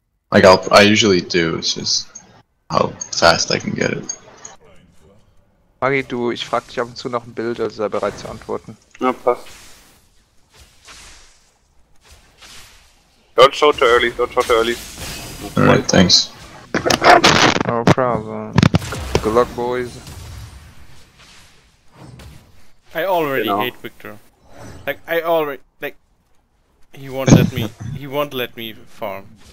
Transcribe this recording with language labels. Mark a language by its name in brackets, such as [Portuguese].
[English] Like, I usually do, it's just how fast I can get it. [German] Magi, du, ich frag dich ab und zu noch ein Bild, also sei bereit zu antworten. Ja, passt. [English] Don't show too early, don't show too early. Alright, thanks. No problem. Good luck, boys. I already hate Victor. Like, I already, like, he won't let me, he won't let me farm.